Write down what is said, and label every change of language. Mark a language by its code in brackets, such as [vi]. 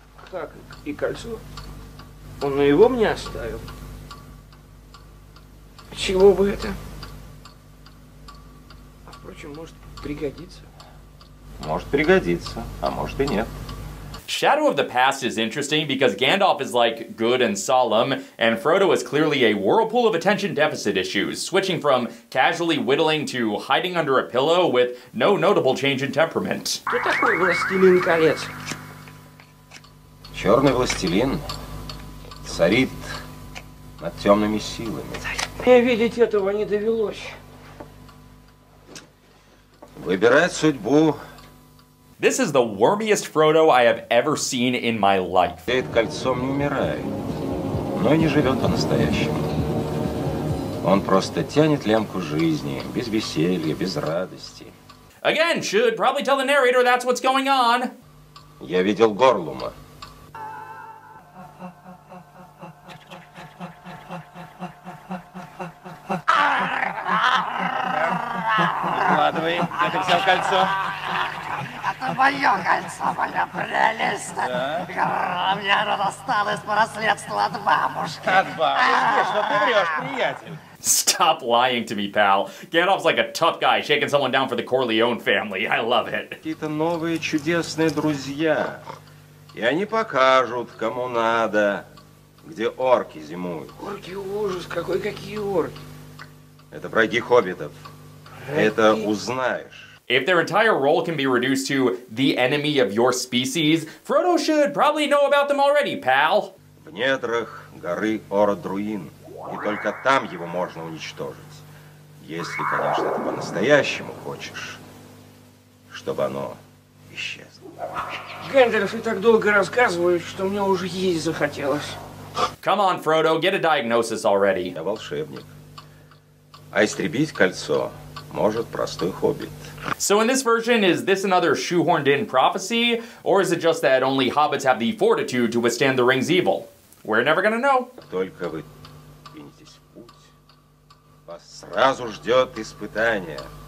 [ru] Так, и кольцо. Он его мне оставил. Чего бы это? А впрочем, может пригодиться. Может пригодиться, а может и нет. [en] Shadow of the Past is interesting because Gandalf is, like, good and solemn, and Frodo is clearly a whirlpool of attention deficit issues, switching from casually whittling to hiding under a pillow with no notable change in temperament. [ru] Кто такой властелин колец? Черный властелин царит над темными силами. Мне видеть этого не довелось. Выбирать судьбу... [en] This is the wormiest Frodo I have ever seen in my life. [ru] Этот кольцом не умирает, но и не живет по-настоящему. Он просто тянет лямку жизни, без веселья, без радости. [en] Again, should probably tell the narrator that's what's going on. [ru] Я видел Горлума. Выкладывай, я хотел кольцо. Моё кольцо, моя прелесть! Да? Мне оно досталось по наследству от бабушки! От бабушки? Что ты врёшь, приятель? [en] Stop lying to me, pal. Gandalf's like a tough guy shaking someone down for the Corleone family. I love it. [ru] Какие-то новые чудесные друзья. И они покажут, кому надо, где орки зимуют. Орки ужас, какой, какие орки? Это враги хоббитов. Враги? Это узнаешь. [en] If their entire role can be reduced to the enemy of your species, Frodo should probably know about them already, pal. [ru] В недрах горы Ород-Друин, и только там его можно уничтожить. Если, конечно, ты по-настоящему хочешь, чтобы оно исчезло. Гэндальф, я так долго рассказываю, что мне уже есть захотелось. [en] Come on, Frodo, get a diagnosis already. [ru] Я волшебник. А истребить кольцо может простой хоббит. [en] So in this version, is this another shoehorned-in prophecy, or is it just that only hobbits have the fortitude to withstand the ring's evil? We're never gonna know. [ru] Только вы двинетесь в путь, вас сразу ждет испытание.